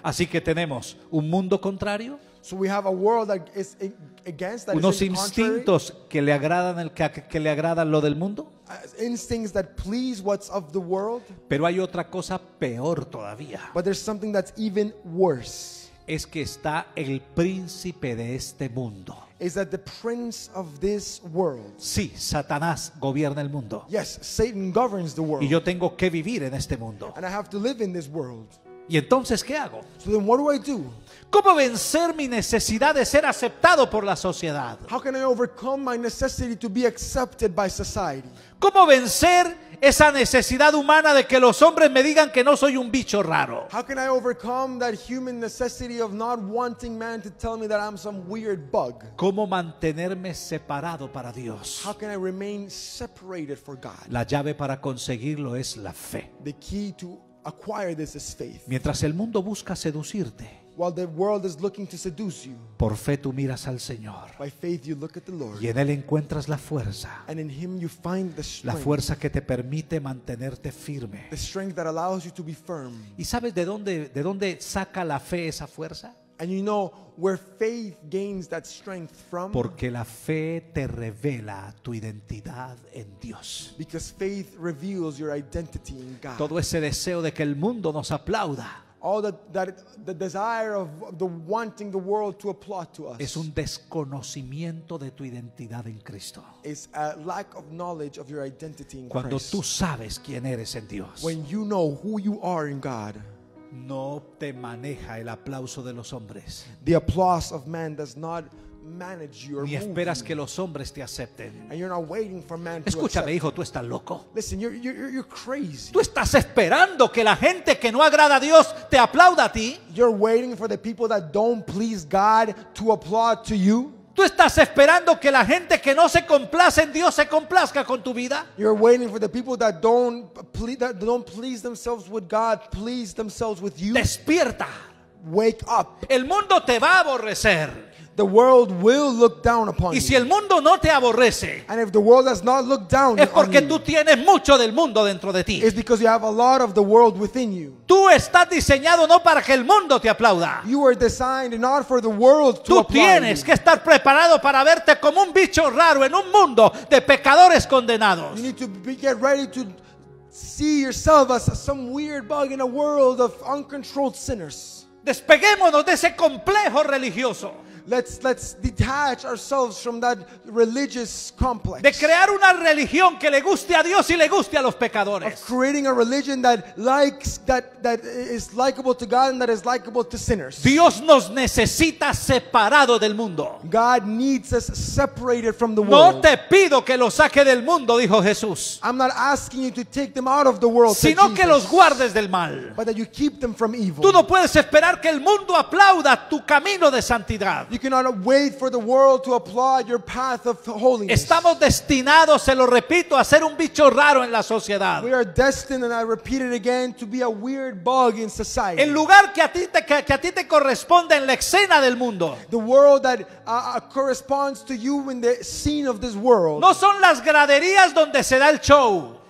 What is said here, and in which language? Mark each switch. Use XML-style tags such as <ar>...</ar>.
<es>Así que tenemos un mundo contrario.</es> <en>So we have a world that is against that.</en> <es>Unos instintos que le agradan lo del mundo.</es> <en>Instincts that please what's of the world.</en> <es>Pero hay otra cosa peor todavía.</es> <en>But there's something that's even worse.</en> <es>Es que está el príncipe de este mundo.</es> <en>Is that the prince of this world?</en> <es>Sí, Satanás gobierna el mundo.</es> <en>Yes, Satan governs the world.</en> <es>Y yo tengo que vivir en este mundo.</es> <en>And I have to live in this world.</en> <es>¿Y entonces qué hago?</es> <en>So then what do I do?</en> <es>¿Cómo vencer mi necesidad de ser aceptado por la sociedad?</es> <en>How can I overcome my necessity to be accepted by society?</en> <es>¿Cómo vencer esa necesidad humana de que los hombres me digan que no soy un bicho raro?</es> <en>How can I overcome that human necessity of not wanting man to tell me that I'm some weird bug?</en> <es>¿Cómo mantenerme separado para Dios?</es> <en>How can I remain separated for God?</en> <es>La llave para conseguirlo es la fe.</es> <en>The key to acquire this is faith.</en> <es>Mientras el mundo busca seducirte,</es> <en>while the world is looking to seduce you,</en> <es>por fe tú miras al Señor.</es> <en>By faith you look at the Lord.</en> <es>Y en él encuentras la fuerza.</es> <en>And in him you find the strength.</en> <es>La fuerza que te permite mantenerte firme.</es> <en>The strength that allows you to be firm.</en> <es>¿Y sabes de dónde saca la fe esa fuerza?</es> <en>And you know where faith gains that strength from?</en> <es>Porque la fe te revela tu identidad en Dios.</es> <en>Because faith reveals your identity in God.</en> <es>Todo ese deseo de que el mundo nos aplauda.</es> <en>All the desire of the wanting the world to applaud to us</en> <es>es un desconocimiento de tu identidad en Cristo.</es> <en>Is a lack of knowledge of your identity in</en> <es>Cuando</es> <en>Christ.</en> <es>Cuando tú sabes quién eres en Dios.</es> <en>When you know who you are in God.</en> <es>No te maneja el aplauso de los hombres.</es> <en>The applause of man does not manage you or</en> <es>ni esperas</es> <en>move</en> <es>que los hombres te acepten.</es> <en>And you're not waiting for man to</en> <es>escúchame hijo, tú estás loco.</es> <en>Listen, you're crazy.</en> <es>Tú estás esperando que la gente que no agrada a Dios te aplauda a ti.</es> <en>You're waiting for the people that don't please God to applaud to you.</en> <es>Tú estás esperando que la gente que no se complace en Dios se complazca con tu vida.</es> <en>You're waiting for the people that don't please themselves with God, please themselves with you.</en> <es>Despierta.</es> <en>Wake up.</en> <es>El mundo te va a aborrecer.</es> <en>The world will look down upon you.</en> <es>Y si el mundo no te aborrece,</es> <en>and if the world has not looked down</en> <es>es porque tú tienes mucho del mundo dentro de ti.</es> <en>It's because you have a lot of the world within you.</en> <es>Tú estás diseñado no para que el mundo te aplauda.</es> <en>You were designed not for the world to applaud you.</en> <es>Tú tienes que estar preparado para verte como un bicho raro en un mundo de pecadores condenados.</es> <en>You need to get ready to see yourself as some weird bug in a world of uncontrolled sinners.</en> <es>Despeguémonos de ese complejo religioso.</es> <en>Let's detach ourselves from that religious complex.</en> <es>De crear una religión que le guste a Dios y le guste a los pecadores.</es> <en>Of creating a religion that is likable to God and that is likable to sinners.</en> <es>Dios nos necesita separado del mundo.</es> <en>God needs us separated from the world.</en> <es>No te pido que los saque del mundo, dijo Jesús.</es> <en>I'm not asking you to take them out of the world,</en> <es>sino</es> <en>Jesus,</en> <es>que los guardes del mal.</es> <en>But that you keep them from evil.</en> <es>Tú no puedes esperar que el mundo aplauda tu camino de santidad.</es> <en>You cannot wait for the world to applaud your path of holiness.</en> <es>Estamos destinados, se lo repito, a ser un bicho raro en la sociedad.</es> <en>We are destined, and I repeat it again, to be a weird bug in society.</en> <es>El lugar que a ti te corresponde en la escena del mundo.</es> <en>The world that corresponds to you in the scene of this world.</en> <es>No son las graderías donde se da el show.</es>